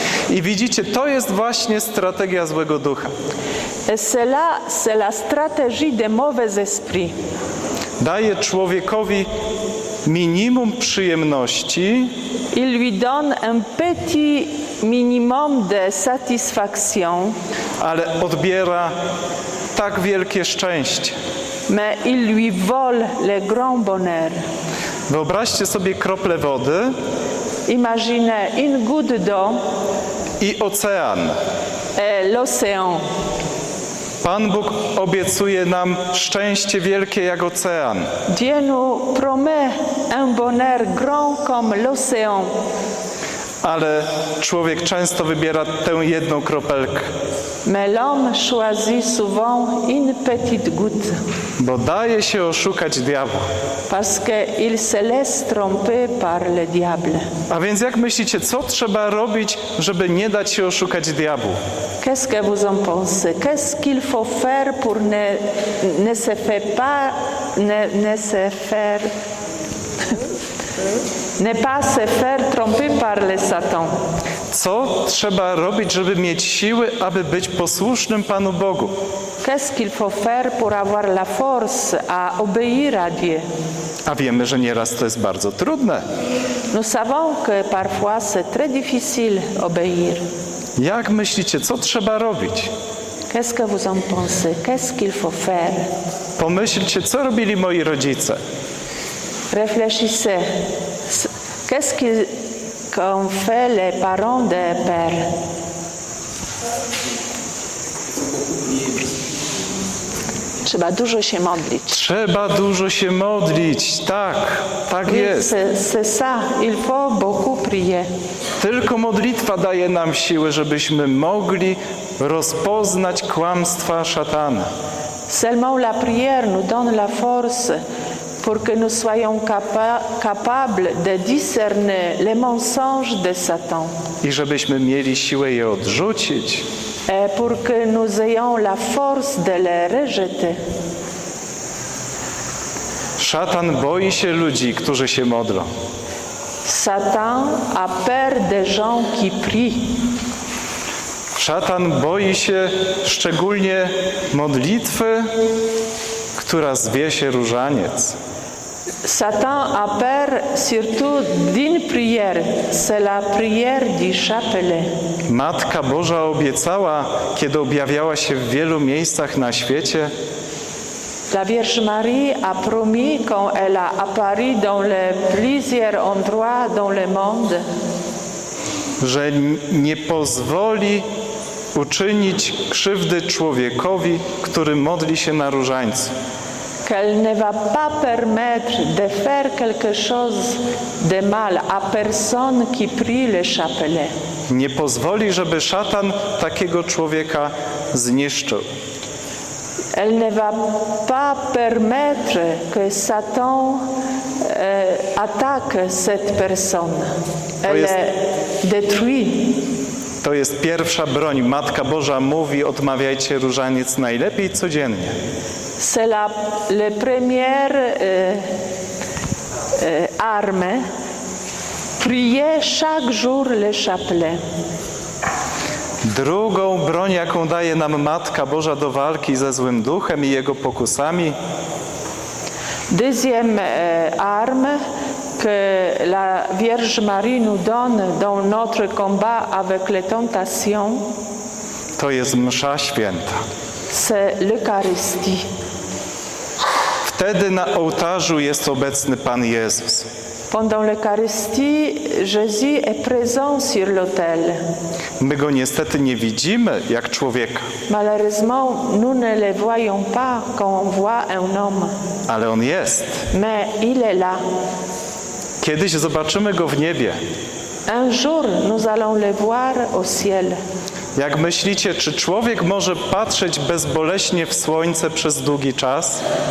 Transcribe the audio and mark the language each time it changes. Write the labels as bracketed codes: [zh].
[pl] I widzicie, to jest właśnie strategia złego ducha. [fr] C'est la stratégie de mauvais esprit. [pl] Daje człowiekowi minimum przyjemności. [fr] Il lui donne un petit minimum de satisfaction. [pl] Ale odbiera tak wielkie szczęście. [fr] Mais il lui vole le grand bonheur. [pl] Wyobraźcie sobie krople wody. [fr] Imagine une goutte d'eau. [pl] I ocean. [fr] L'océan. [pl] Pan Bóg obiecuje nam szczęście wielkie jak ocean. [fr] Dieu nous promet un bonheur grand comme l'océan. [pl] Ale człowiek często wybiera tę jedną kropelkę. [fr] Mais l'homme choisit souvent une petite goutte. [pl] Bo daje się oszukać diabła. [fr] Parce que il se laisse tromper par le diable. [pl] A więc jak myślicie, co trzeba robić, żeby nie dać się oszukać diabłu? [fr] Qu'est-ce que vous en pensez? Qu'est-ce qu'il faut faire pour ne pas se faire tromper par le Satan? [pl] Co trzeba robić, żeby mieć siły, aby być posłusznym Panu Bogu? [fr] Qu'est-ce qu'il faut faire pour avoir la force à obéir à Dieu? [pl] A wiemy, że nieraz to jest bardzo trudne. [fr] Nous savons que parfois c'est très difficile obéir. [pl] Jak myślicie, co trzeba robić? [fr] Qu'est-ce que vous en pensez? Qu'est-ce qu'il faut faire? [pl] Pomyślcie, co robili moi rodzice. [fr] Réfléchissez. Qu'est-ce qu'ont fait les parents de père? [pl] Trzeba dużo się modlić. Trzeba dużo się modlić. Tak, tak jest. [fr] C'est ça. Il faut beaucoup prier. [pl] Tylko modlitwa daje nam siły, żebyśmy mogli rozpoznać kłamstwa szatana. [fr] Seulement la prière nous donne la force pour que nous soyons capables de discerner les mensonges de Satan. [pl] I żebyśmy mieli siłę je odrzucić. [fr] Pour que nous ayons la force de les rejeter. [pl] Szatan boi się ludzi, którzy się modlą. [fr] Satan a peur des gens qui prient. [pl] Szatan boi się szczególnie modlitwy, która zwie się różaniec. [fr] Satan a peur surtout d'une prière, c'est la prière du chapelet. [pl] Matka Boża obiecała, kiedy objawiała się w wielu miejscach na świecie. [fr] La Vierge Marie a promis quand elle a apparu dans les plusieurs endroits dans le monde, [pl] że nie pozwoli uczynić krzywdy człowiekowi, który modli się na różańcu. [fr] Qu'elle ne va pas permettre de faire quelque chose de mal à personne qui prie le chapelet. [pl] Nie pozwoli, żeby szatan takiego człowieka zniszczył. [fr] Elle ne va pas permettre que Satan attaque cette personne. Elle est détruite. [pl] To jest pierwsza broń. Matka Boża mówi: odmawiajcie różaniec najlepiej codziennie. [fr] C'est la première arme. Priez chaque jour le chapelet. [pl] Drugą broń, jaką daje nam Matka Boża do walki ze złym duchem i jego pokusami. [fr] Deuxième arme que la Vierge Marie nous donne dans notre combat avec les tentations. [pl] To jest msza święta. [fr] C'est l'Eucharistie. [pl] Wtedy na ołtarzu jest obecny Pan Jezus. [fr] Pendant l'Eucharistie, Jésus est présent sur l'autel. [pl] My go niestety nie widzimy jak człowieka. [fr] Malheureusement, nous ne le voyons pas comme on voit un homme. [pl] Ale on jest. [fr] Mais il est là. [pl] Kiedyś zobaczymy go w niebie. [fr] Un jour, nous allons le voir au ciel. [pl] Jak myślicie, czy człowiek może patrzeć bezboleśnie w słońce przez długi czas?